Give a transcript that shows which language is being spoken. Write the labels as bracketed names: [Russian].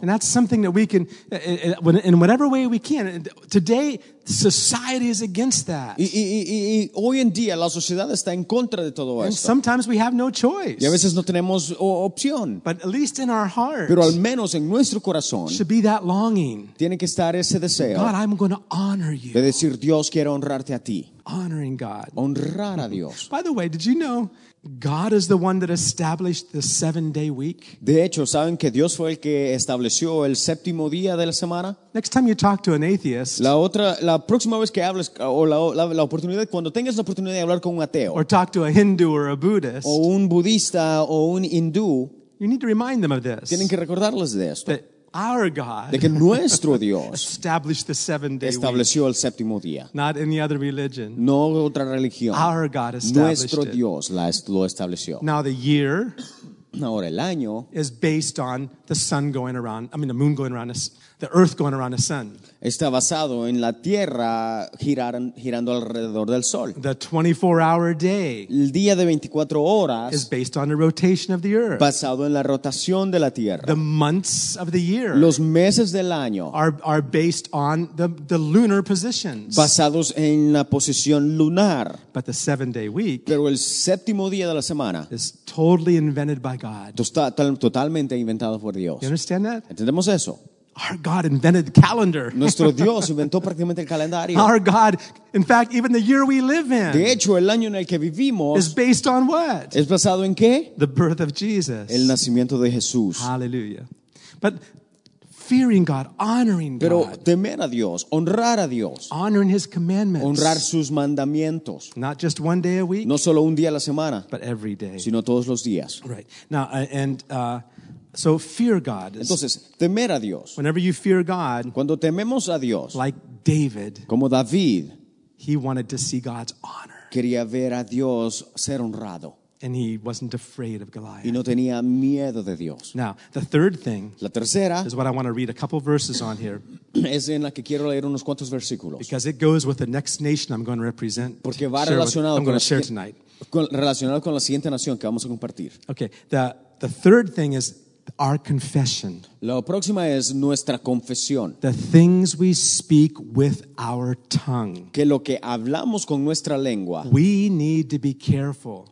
[English] And that's something that we can, in whatever way we can. Today, society is against that. [Spanish] Y hoy en día, la sociedad está en contra de todo [English] and [Spanish] esto. [English] Sometimes we have no choice. [Spanish] Y a veces no tenemos opción. [English] But at least in our hearts. [Spanish] Pero al menos en nuestro corazón. [English] Should be that longing. [Spanish] Tiene que estar ese deseo. [English] God, I'm going to honor you. [Spanish] De decir, Dios, quiero honrarte a ti. [English] Honoring God. [Spanish] Honrar a Dios. [English] By the way, did you know God is the one that established the 7-day week? [Spanish] De hecho, ¿saben que Dios fue el que estableció el séptimo día de la semana? [English] Next time you talk to an atheist, [Spanish] la próxima vez que hables o la oportunidad cuando tengas la oportunidad de hablar con un ateo, [English] or talk to a Hindu or a Buddhist, [Spanish] o un budista o un hindú, [English] You need to remind them of this. [Spanish] Tienen que recordarles de esto. [English] That our God [Spanish] de que nuestro Dios [English] established the 7-day [Spanish] estableció [English] week, [Spanish] el séptimo día. [English] Not any other religion. [Spanish] No otra religión. [English] Our God established [Spanish] nuestro [English] it. [Spanish] Dios lo estableció. [English] Now the year [Spanish] ahora, el año [English] is based on the sun going around, I mean the moon going around, the earth going around the sun. [Spanish] Está basado en la tierra girando alrededor del sol. [English] The 24-hour day, [Spanish] el día de 24 horas, [English] is based on the rotation of the earth. [Spanish] Basado en la rotación de la tierra. [English] The months of the year, [Spanish] los meses del año, [English] are based on the lunar positions. [Spanish] Basados en la posición lunar. [English] But the 7-day week, [Spanish] pero el séptimo día de la semana, [English] is totally invented by God. [Spanish] Totalmente inventado por Dios. [English] You understand that? [Spanish] ¿Entendemos eso? [English] Our God invented the calendar. [Spanish] Nuestro Dios inventó prácticamente el calendario. [English] Our God, in fact, even the year we live in. [Spanish] De hecho, el año en el que vivimos [English] is based on what? [Spanish] ¿Es basado en qué? [English] The birth of Jesus. [Spanish] El nacimiento de Jesús. [English] Hallelujah. But fearing God, honoring God. [Spanish] Pero temer a Dios, honrar a Dios. [English] Honoring his commandments. [Spanish] Honrar sus mandamientos. [English] Not just one day a week. [Spanish] No solo un día a la semana. [English] But every day. [Spanish] Sino todos los días. [English] Right. Now, so fear God. [Spanish] Entonces, temer a Dios. [English] Whenever you fear God, [Spanish] cuando tememos a Dios, [English] like David, [Spanish] como David, [English] he wanted to see God's honor. [Spanish] Quería ver a Dios ser honrado. [English] And he wasn't afraid of Goliath. [Spanish] Y no tenía miedo de Dios. [English] Now, the third thing, [Spanish] la tercera, [English] is what I want to read a couple verses on here. [Spanish] Es en la que quiero leer unos cuantos versículos. [English] Because it goes with the next nation I'm going to represent. [Spanish] Porque va relacionado [English] with, I'm going to share tonight. [Spanish] Relacionado con la siguiente nación que vamos a compartir. [English] Okay, the third thing is our confession. [Spanish] La próxima es nuestra confesión. [English] The things we speak with our tongue. [Spanish] Que lo que hablamos con nuestra lengua. [English] We need to be careful.